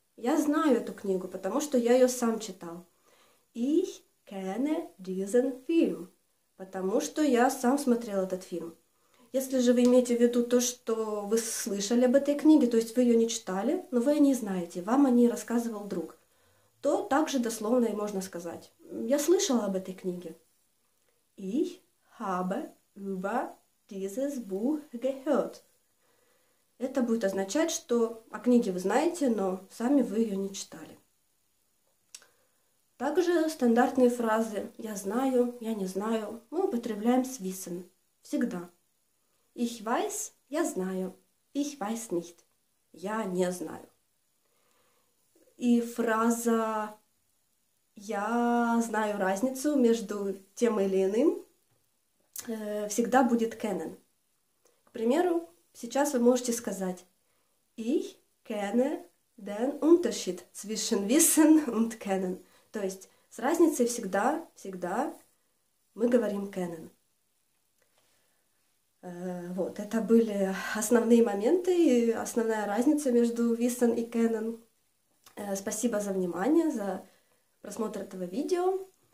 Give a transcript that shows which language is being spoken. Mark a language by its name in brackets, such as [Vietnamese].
[Russian] Я знаю эту книгу, потому что я ее сам читал. [German] Ich kenne diesen Film, [Russian] потому что я сам смотрел этот фильм. Если же вы имеете в виду то, что вы слышали об этой книге, то есть вы ее не читали, но вы о ней знаете, вам о ней рассказывал друг, то также дословно и можно сказать: я слышала об этой книге. [German] Ich habe über dieses Buch gehört. [Russian] Это будет означать, что о книге вы знаете, но сами вы ее не читали. Также стандартные фразы «я знаю», «я не знаю» мы употребляем с Wissen всегда. [German] Ich weiß, [Russian] я знаю. [German] Ich weiß nicht, [Russian] я не знаю. И фраза «я знаю разницу между тем или иным» всегда будет kennen. К примеру, сейчас вы можете сказать [German] Ich kenne den Unterschied zwischen Wissen und kennen. [Russian] То есть с разницей всегда, всегда мы говорим kennen. Вот, это были основные моменты и основная разница между Wissen и Canon. Спасибо за внимание, за просмотр этого видео.